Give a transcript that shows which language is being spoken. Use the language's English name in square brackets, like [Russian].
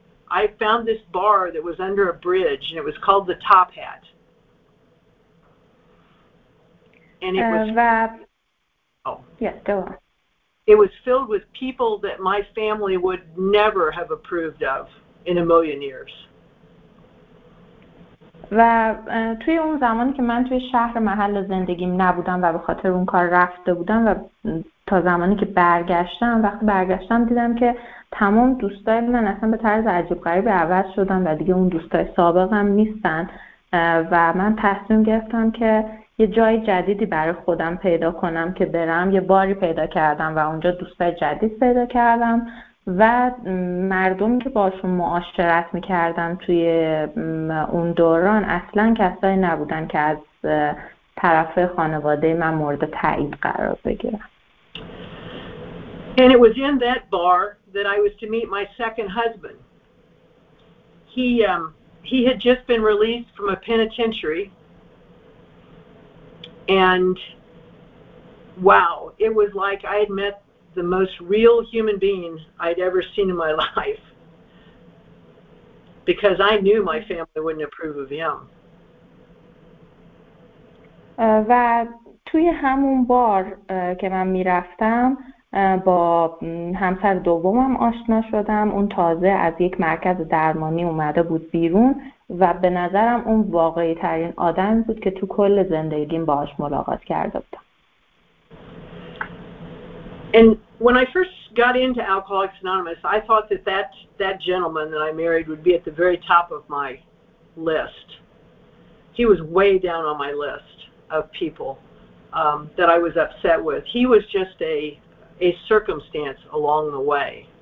[English] I found this bar that was under a bridge and it was called the Top Hat. And it was It was filled with people that my family would never have approved of in a million years. [Persian] و توی اون زمانی که من توی شهر محل زندگیم نبودم و به خاطر اون کار رفته بودم و تا زمانی که برگشتم، وقتی برگشتم دیدم که تمام دوستای من اصلا به طرز عجیب غریبی عوض شدن و دیگه اون دوستای سابقم نیستن و من تصمیم گرفتم که یه جای جدیدی برای خودم پیدا کنم که برم. یه باری پیدا کردم و اونجا دوستای جدید پیدا کردم و مردمی که باشون معاشرت میکردم توی اون دوران اصلا کسایی نبودن که از طرف خانواده من مورد تایید قرار بگیرن. [English] And it was in that bar that I was to meet my second husband. He had just been released from a penitentiary. And wow, it was like I had met the most real human being I'd ever seen in my life, because I knew my family wouldn't approve of him. [Persian] و توی همون بار که من میرفتم با همسر دومم آشنا شدم. اون تازه از یک مرکز درمانی اومده بود بیرون و به نظرم اون واقعی ترین آدم بود که تو کل زندگیم باهاش ملاقات کرده بودم. [English] And when I first got into Alcoholics Anonymous, I thought that, that gentleman that I married would be at the very top of my list. He was way down on my list of people that I was upset with. He was just a circumstance along the way.